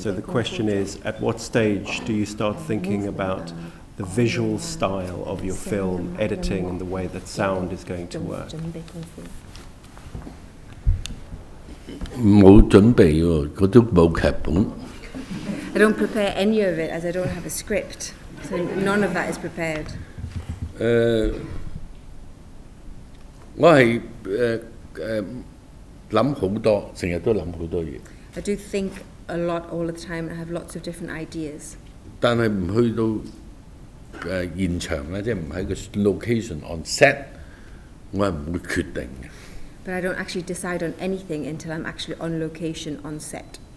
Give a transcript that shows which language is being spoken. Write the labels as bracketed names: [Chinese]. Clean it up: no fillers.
[English] So the question is, at what stage do you start thinking about the visual style of your film, editing, and the way that sound is going to work? [Cantonese] 沒準備喎，我都冇劇本。 [English] I don't prepare any of it, as I don't have a script, so none of that is prepared. [Cantonese] 我係諗好多，成日都諗好多嘢。 [English] I do think a lot all of the time, and I have lots of different ideas. [Cantonese] 但係唔去到現場咧，即係唔喺個 [English] location on set， [Cantonese] 我係唔會決定嘅。 [English] But I don't actually decide on anything until I'm actually on location, on set.